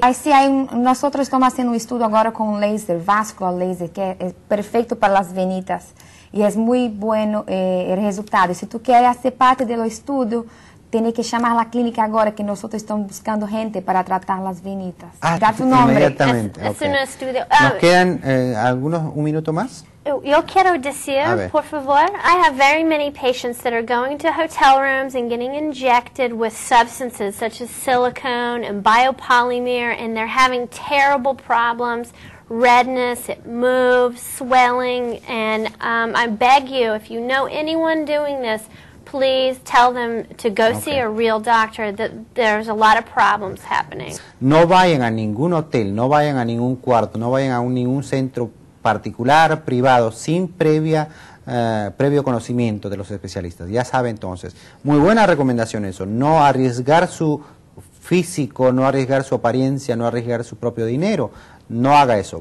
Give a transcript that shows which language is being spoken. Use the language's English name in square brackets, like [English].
[Spanish] Así hay, nosotros estamos haciendo un estudio ahora con láser, vascular láser, que es perfecto para las venitas. Y es muy bueno el resultado. Si tú quieres hacer parte del estudio, tienes que llamar a la clínica ahora, que nosotros estamos buscando gente para tratar las venitas. Ah, da tu nombre. Inmediatamente. Es un estudio. Nos quedan algunos, un minuto más. Yo quiero decir, por favor, [English] I have very many patients that are going to hotel rooms and getting injected with substances such as silicone and biopolymer, and they're having terrible problems, redness, it moves, swelling, and I beg you, if you know anyone doing this, please tell them to go see a real doctor, that there's a lot of problems happening. [Spanish] No vayan a ningún hotel, no vayan a ningún cuarto, no vayan a ningún centro particular, privado, sin previa previo conocimiento de los especialistas. Ya sabe entonces, muy buena recomendación eso, no arriesgar su físico, no arriesgar su apariencia, no arriesgar su propio dinero. No haga eso.